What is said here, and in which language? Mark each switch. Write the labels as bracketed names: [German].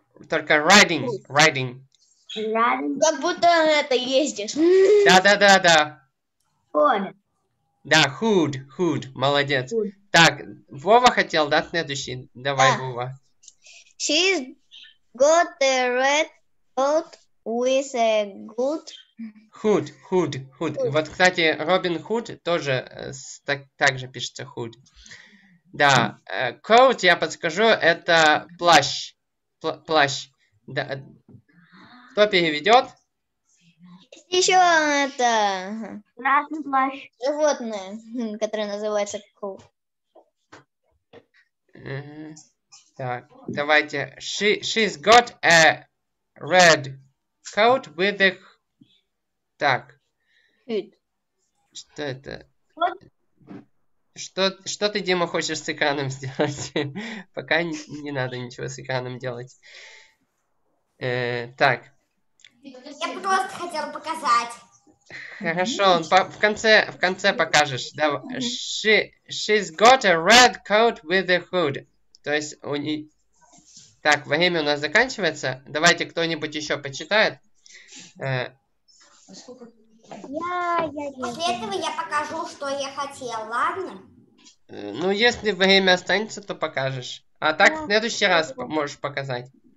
[Russian] Только riding. Как будто на это ездишь. Да. [English] Hood. [Russian] Да, hood, молодец. [English] Hood. [Russian] Так, Вова хотел, да, следующий? Давай, да. Вова. [English] She's got a red coat with a good... Hood. Hood. [Russian] Вот, кстати, Робин Худ тоже так же пишется Худ. Да, coat, я подскажу, это плащ. Плащ. Да. Кто переведет? Еще это... Красный плащ. Животное, которое называется coat. Так, давайте. [English] She's got a red coat with a... [Russian] Так. [English] Hood. [Russian] Что это? Что ты, Дима, хочешь с экраном сделать? Пока не надо ничего с экраном делать. Так. Я просто хотела показать. Хорошо, в конце покажешь. Давай. [English] She's got a red coat with a hood. [Russian] То есть у нее... Так, время у нас заканчивается. Давайте кто-нибудь еще почитает. После этого я покажу, что я хотел, ладно? Ну, если время останется, то покажешь. А так, в следующий раз можешь показать.